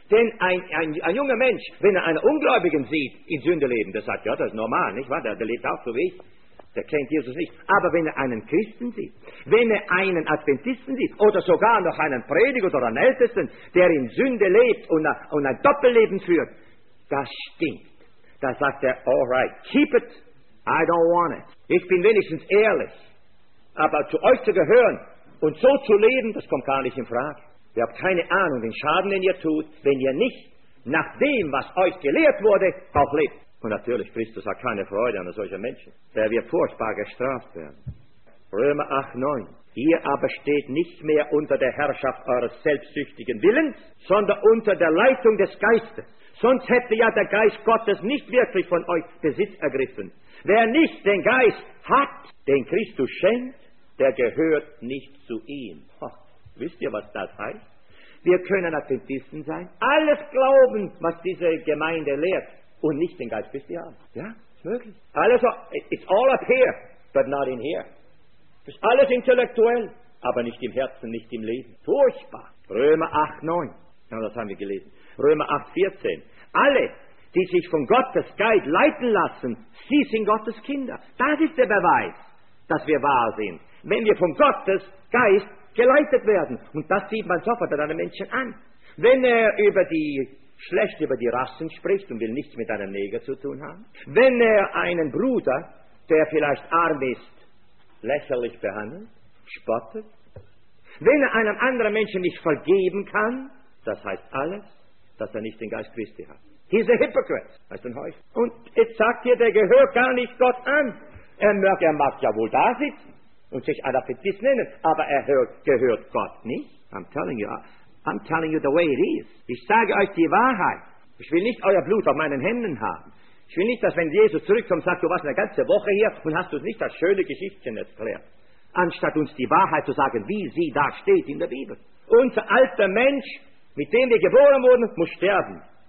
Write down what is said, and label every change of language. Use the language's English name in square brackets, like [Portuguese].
[German] Denn ein junger Mensch, wenn er einen Ungläubigen sieht, in Sünde leben, der sagt, ja, das ist normal, nicht wahr? Der lebt auch so wie ich. Der kennt Jesus nicht. Aber wenn er einen Christen sieht, wenn er einen Adventisten sieht oder sogar noch einen Prediger oder einen Ältesten, der in Sünde lebt und ein Doppelleben führt, das stinkt. Da sagt er, [English] all right, keep it, I don't want it. [German] Ich bin wenigstens ehrlich. Aber zu euch zu gehören und so zu leben, das kommt gar nicht in Frage. Ihr habt keine Ahnung, den Schaden, den ihr tut, wenn ihr nicht nach dem, was euch gelehrt wurde, auch lebt. Und natürlich, Christus hat keine Freude an solchen Menschen. Der wird furchtbar gestraft werden. Römer 8,9. Ihr aber steht nicht mehr unter der Herrschaft eures selbstsüchtigen Willens, sondern unter der Leitung des Geistes. Sonst hätte ja der Geist Gottes nicht wirklich von euch Besitz ergriffen. Wer nicht den Geist hat, den Christus schenkt, der gehört nicht zu ihm. Wisst ihr, was das heißt? Wir können Adventisten sein, alles glauben, was diese Gemeinde lehrt. Und nicht den Geist Christi haben. Ja, ist möglich. [English] Alles, it's all up here, but not in here. [German] Das ist alles intellektuell, aber nicht im Herzen, nicht im Leben. Furchtbar. Römer 8,9. Ja, das haben wir gelesen. Römer 8,14. Alle, die sich von Gottes Geist leiten lassen, sie sind Gottes Kinder. Das ist der Beweis, dass wir wahr sind. Wenn wir von Gottes Geist geleitet werden. Und das sieht man sofort an einem Menschen an. Wenn er über die schlecht über die Rassen spricht und will nichts mit einem Neger zu tun haben. Wenn er einen Bruder, der vielleicht arm ist, lächerlich behandelt, spottet. Wenn er einem anderen Menschen nicht vergeben kann, das heißt alles, dass er nicht den Geist Christi hat. [English] He's a hypocrite, [German] heißt ein Heuchler. Und jetzt sagt ihr, der gehört gar nicht Gott an. Er mag ja wohl da sitzen und sich Adventist nennen, aber er gehört Gott nicht. [English] I'm telling you the way it is. [German] Ich sage euch die Wahrheit. Ich will nicht euer Blut auf meinen Händen haben. Ich will nicht, dass wenn Jesus zurückkommt, sagt, du warst eine ganze Woche hier und hast uns nicht das schöne Geschichtchen erklärt. Anstatt uns die Wahrheit zu sagen, wie sie da steht in der Bibel. Unser alter Mensch, mit dem wir geboren wurden, muss sterben.